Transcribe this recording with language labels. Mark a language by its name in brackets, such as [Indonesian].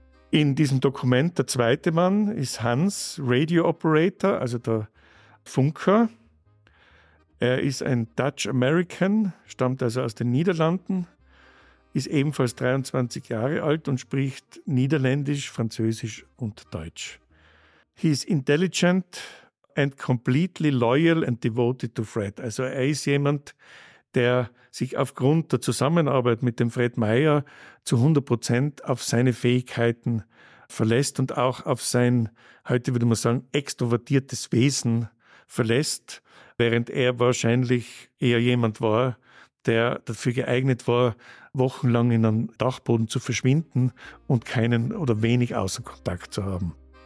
[German] In diesem Dokument, der zweite Mann ist Hans, Radio Operator, also der Funker. Er ist ein Dutch American, stammt also aus den Niederlanden, ist ebenfalls 23 Jahre alt und spricht Niederländisch, Französisch und Deutsch. [English] He is intelligent and completely loyal and devoted to Fred. [German] Also er ist jemand, der sich aufgrund der Zusammenarbeit mit dem Fred Meyer zu 100% auf seine Fähigkeiten verlässt und auch auf sein, heute würde man sagen, extrovertiertes Wesen verlässt, während er wahrscheinlich eher jemand war, der dafür geeignet war, wochenlang in einem Dachboden zu verschwinden und keinen oder wenig Außenkontakt zu haben.